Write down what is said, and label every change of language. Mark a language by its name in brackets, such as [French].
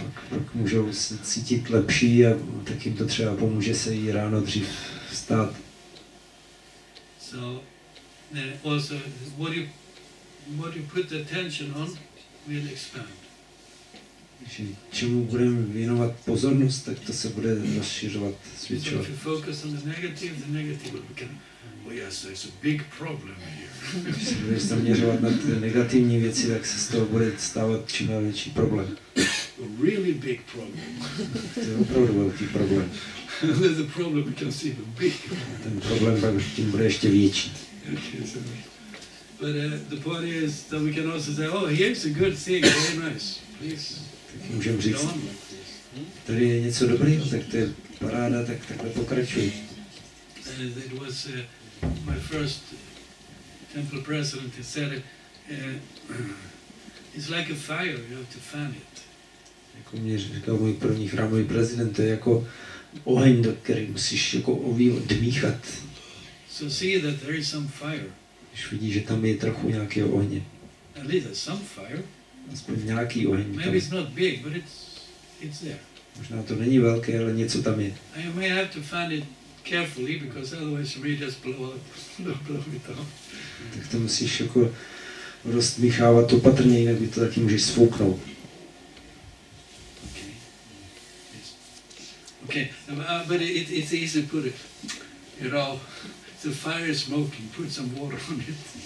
[Czech] Pak můžou se cítit lepší a tak jim to třeba pomůže se jí ráno dřív vstát. [English] So also what you put attention on will expand. [Czech] Že čemu budeme věnovat pozornost, tak to se bude rozšiřovat, zvětšovat. [English] If you focus on the negative will become, oh yes, there's a big problem here. [Czech] Když se zaměřovat na ty negativní věci, tak se z toho bude stávat čím dál větší problém. [English] A really big problem. [Czech] To je opravdu velký problém. [English] Then the problem becomes even bigger. [Czech] Ten problém pak tím bude ještě větší. [English] But the point is that we can also say, oh, here's a good thing, very nice. Please. [Czech] Tak můžeme říct, tady je něco dobrýho, tak to je paráda, tak takhle pokračuj. [English] It was my first temple president, he said, it's like a fire, you have to fan it. [Czech] Jako mě říkal můj první chrámový prezident, to je jako oheň, do který musíš jako dmíchat. [English] So see that there is some fire. [Czech] Když vidíš, že tam je trochu nějakého ohně. [English] At least there's some fire. [Czech] Aspoň nějaký oheň. [English] Maybe it's not big, but it's there. [Czech] Možná to není velké, ale něco tam je. [English] I may have to find it carefully because otherwise you may just blow it off. [Czech] Tak to musíš jako rozmíchávat opatrně, jinak by to taky můžeš sfouknout. [English] Okay. Yes. Okay. But it's easy to put it. you know, the fire is smoking, put some water on it.